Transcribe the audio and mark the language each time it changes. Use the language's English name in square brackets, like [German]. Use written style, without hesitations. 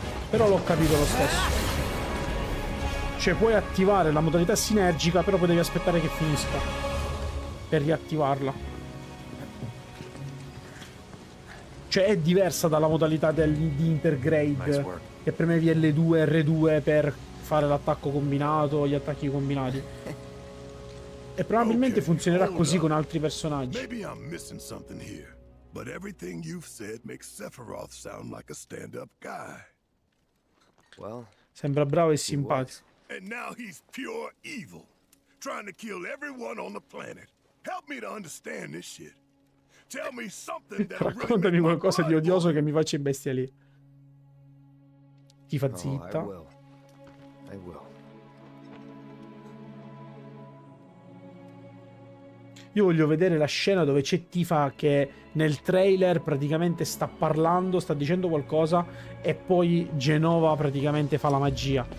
[Italian] Però l'ho capito lo stesso. Cioè, puoi attivare la modalità sinergica, però poi devi aspettare che finisca per riattivarla. cioè è diversa dalla modalità di Intergrade, [English] nice work, [Italian] che premevi L2 R2 per fare l'attacco combinato, gli attacchi combinati. E probabilmente okay, funzionerà così con altri personaggi. [English] Maybe I'm missing something here, but everything you've said makes Sephiroth sound like a stand-up guy. Well, [Italian] sembra bravo e simpatico. [English] And now he's pure evil, trying to kill everyone on the planet. Help me to understand this shit. Tell me something that [Italian] raccontami qualcosa di odioso che mi faccia bestia lì. Chi fa zitta? [English] Oh, I will. [Italian] Io voglio vedere la scena dove c'è Tifa che nel trailer praticamente sta parlando, sta dicendo qualcosa e poi Genova praticamente fa la magia.